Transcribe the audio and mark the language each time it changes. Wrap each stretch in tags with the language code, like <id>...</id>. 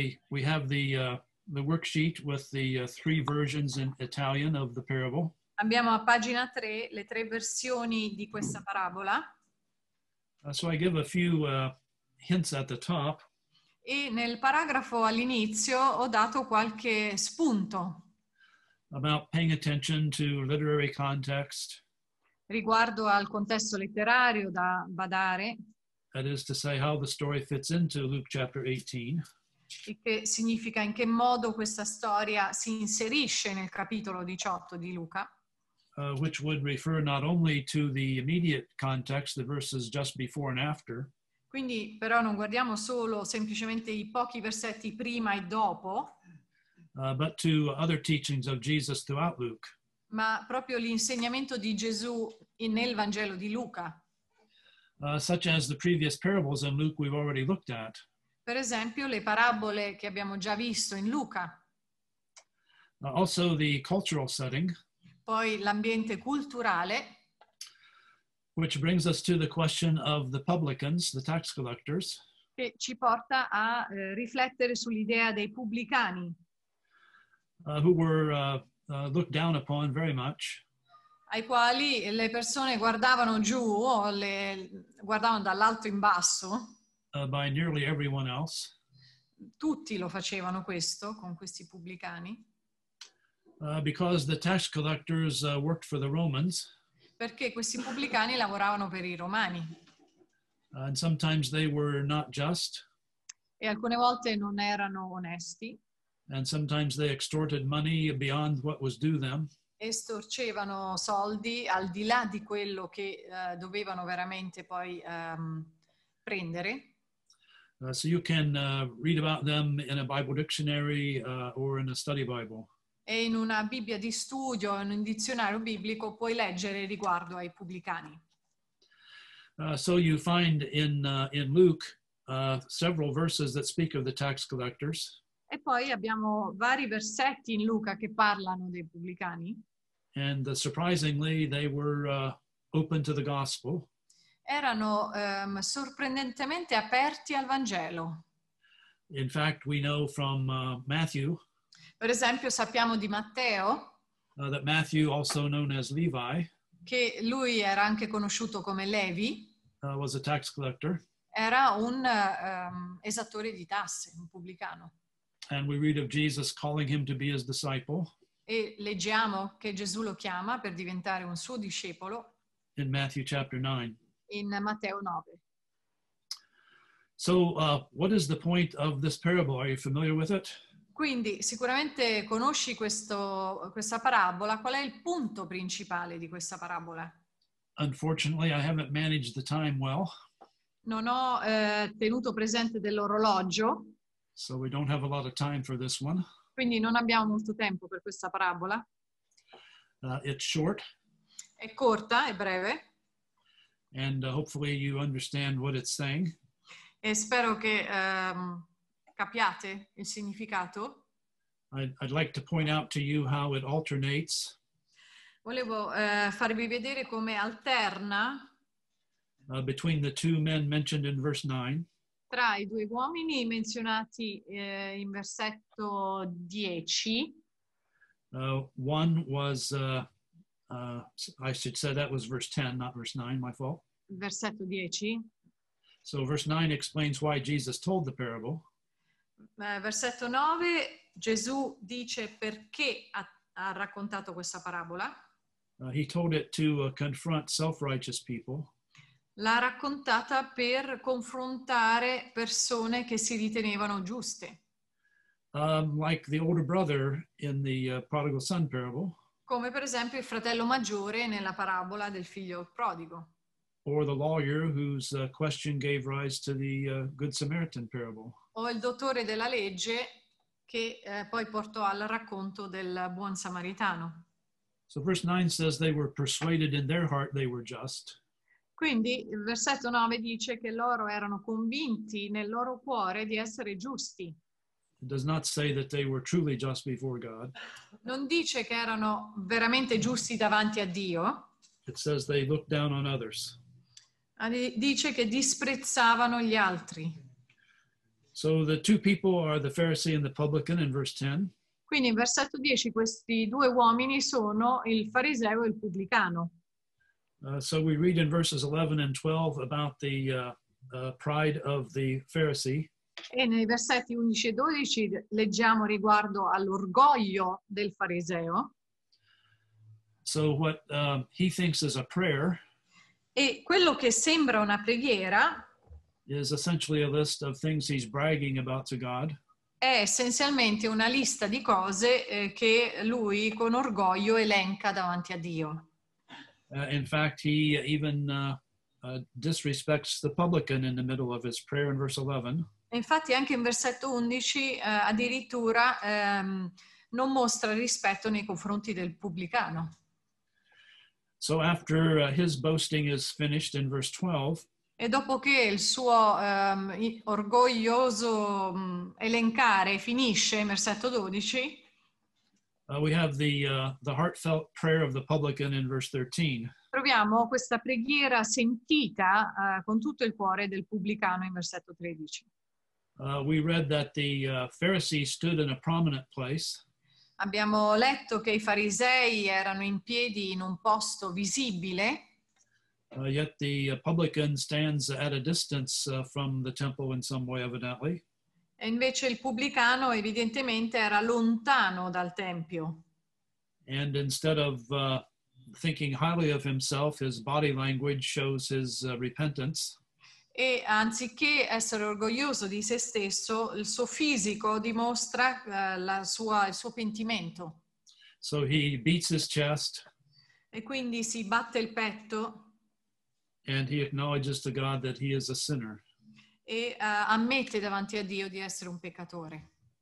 <en>We have the worksheet with the three versions in Italian of the parable.</en> <it>Abbiamo a pagina 3 le tre versioni di questa parabola.</it> <en>So I give a few hints at the top.</en> <it>E nel paragrafo all'inizio ho dato qualche spunto.</it> <en>About paying attention to literary context.</en> <it>Riguardo al contesto letterario da badare.</it> <en>That is to say how the story fits into Luke chapter 18.</en> <it>E che significa in che modo questa storia si inserisce nel capitolo 18 di Luca.</it> <en>Which would refer not only to the immediate context, the verses just before and after.</en> <it>Quindi però non guardiamo solo semplicemente i pochi versetti prima e dopo.</it> <en>But to other teachings of Jesus throughout Luke.</en> <it>Ma proprio l'insegnamento di Gesù nel Vangelo di Luca.</it> <en>Such as the previous parables in Luke we've already looked at.</en> <it>Per esempio, le parabole che abbiamo già visto in Luca.</it> <en>Also the cultural setting.</en> <it>Poi l'ambiente culturale.</it> <en>Which brings us to the question of the publicans, the tax collectors.</en> <it>Che ci porta a riflettere sull'idea dei pubblicani.</it> <en>Looked down upon very much.</en> <it>Ai quali le persone guardavano giù o le guardavano dall'alto in basso.</it> <en>By nearly everyone else.</en> <it>Tutti lo facevano questo con questi pubblicani.</it> <en>Because the tax collectors worked for the Romans.</en> <it>Perché questi pubblicani lavoravano per i Romani.</it> <en>And sometimes they were not just.</en> <it>E alcune volte non erano onesti.</it> <en>And sometimes they extorted money beyond what was due them.</en> <it>Estorcevano soldi al di là di quello che dovevano veramente poi prendere.</it> <en>So you can read about them in a Bible dictionary or in a study Bible.</en> <it>E in una Bibbia di studio, in un dizionario biblico, puoi leggere riguardo ai pubblicani.</it> <en>So you find in Luke several verses that speak of the tax collectors.</en> <it>E poi abbiamo vari versetti in Luca che parlano dei pubblicani.</it> <en>And surprisingly, they were open to the gospel.</en> <it>Erano sorprendentemente aperti al Vangelo.</it> <en>In fact, we know from Matthew.</en> <it>Per esempio, sappiamo di Matteo.</it> <en>That Matthew, also known as Levi,</en> <it>che lui era anche conosciuto come Levi,</it> <en>was a tax collector.</en> <it>Era un esattore di tasse, un pubblicano.</it> <en>And we read of Jesus calling him to be his disciple.</en> <it>E leggiamo che Gesù lo chiama per diventare un suo discepolo.</it> <en>In Matthew chapter 9.</en> <it>In Matteo 9.</it> <en>So, what is the point of this parable? Are you familiar with it?</en> <it>Quindi, sicuramente conosci questa parabola. Qual è il punto principale di questa parabola?</it> <en>Unfortunately, I haven't managed the time well.</en> <it>Non ho tenuto presente dell'orologio.</it> <en>So we don't have a lot of time for this one.</en> <it>Quindi non abbiamo molto tempo per questa parabola.</it> <en>It's short.</en> <it>È corta, è breve.</it> <en>And hopefully you understand what it's saying.</en> <it>E spero che capiate il significato.</it> <en>I'd like to point out to you how it alternates.</en> <it>Volevo farvi vedere come alterna.</it> <en>Between the two men mentioned in verse 9.</en> <it>Tra i due uomini menzionati in versetto 10.</it> <en>One was, I should say that was verse 10, not verse 9, my fault.</en> <it>Versetto 10.</it> <en>So verse 9 explains why Jesus told the parable.</en> <it>Versetto 9, Gesù dice perché ha raccontato questa parabola.</it> <en>He told it to confront self-righteous people.</en> <it>L'ha raccontata per confrontare persone che si ritenevano giuste.</it> <en>Like the older brother in the prodigal son parable.</en> <it>Come per esempio il fratello maggiore nella parabola del figlio prodigo.</it> <en>Or the lawyer whose question gave rise to the Good Samaritan parable.</en> <it>O il dottore della legge che poi portò al racconto del buon samaritano.</it> <en>So verse 9 says they were persuaded in their heart they were just.</en> <it>Quindi il versetto 9 dice che loro erano convinti nel loro cuore di essere giusti.</it> <en>It does not say that they were truly just before God.</en> <it>Non dice che erano veramente giusti davanti a Dio.</it> <en>It says they looked down on others.</en> <it>Dice che disprezzavano gli altri.</it> <en>So the two people are the Pharisee and the publican in verse 10.</en> <it>Quindi in versetto 10 questi due uomini sono il fariseo e il pubblicano.</it> <en>So we read in verses 11 and 12 about the pride of the Pharisee.</en> <it>E nei versetti 11 e 12 leggiamo riguardo all'orgoglio del fariseo.</it> <en>So what he thinks is a prayer.</en> <it>E quello che sembra una preghiera</it> <en>is essentially a list of things he's bragging about to God.</en> <it>È essenzialmente una lista di cose che lui con orgoglio elenca davanti a Dio.</it> <en>In fact, he even disrespects the publican in the middle of his prayer in verse 11.</en> <it>Infatti, anche in versetto 11, addirittura non mostra rispetto nei confronti del pubblicano.</it> <en>So after his boasting is finished in verse 12.</en> <it>E dopo che il suo orgoglioso elencare finisce in versetto 12.</it> <en>We have the heartfelt prayer of the publican in verse 13.</en> <it>Troviamo questa preghiera sentita con tutto il cuore del pubblicano in versetto 13.</it> <en>We read that the Pharisee stood in a prominent place.</en> <it>Abbiamo letto che i farisei erano in piedi in un posto visibile.</it> <en>Yet the publican stands at a distance from the temple in some way, evidently.</en> <it>E invece il pubblicano evidentemente era lontano dal tempio.</it> <en>And instead of thinking highly of himself, his body language shows his repentance.</en> <it>E anziché essere orgoglioso di se stesso, il suo fisico dimostra il suo pentimento.</it> <en>So he beats his chest.</en> <it>E quindi si batte il petto.</it> <en>And he acknowledges to God that he is a sinner.</en> <it>E ammette davanti a Dio di essere un peccatore.</it>